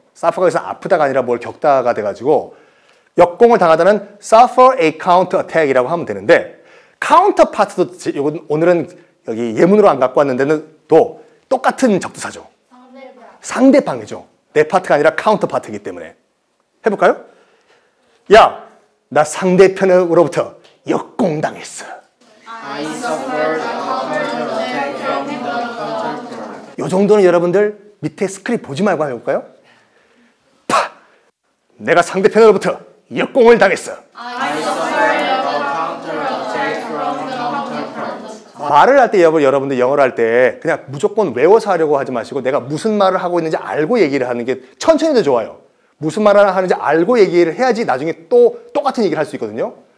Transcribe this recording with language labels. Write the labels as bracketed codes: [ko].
[ko] suffer가 여기서 아프다가 아니라 뭘 겪다가 돼가지고 역공을 당하다는 [en] suffer a counter attack [ko] 이라고 하면 되는데 카운터 파트도 오늘은 여기 예문으로 안 갖고 왔는데는 또 똑같은 접두사죠. 상대방이죠. 내 파트가 아니라 카운터 파트이기 때문에. 해볼까요? 야, 나 상대편으로부터 역공당했어. [en] I suffered a counter attack from the counter. [ko] 요 정도는 여러분들 밑에 스크립 보지 말고 해볼까요? 파! 내가 상대편으로부터 역공을 당했어. [en] I suffered a counter attack from the counter. [ko] 말을 할 때 여러분들 영어를 할 때 그냥 무조건 외워서 하려고 하지 마시고 내가 무슨 말을 하고 있는지 알고 얘기를 하는 게 천천히 더 좋아요. 무슨 말을 하는지 알고 얘기를 해야지 나중에 또 똑같은 얘기를 할 수 있거든요.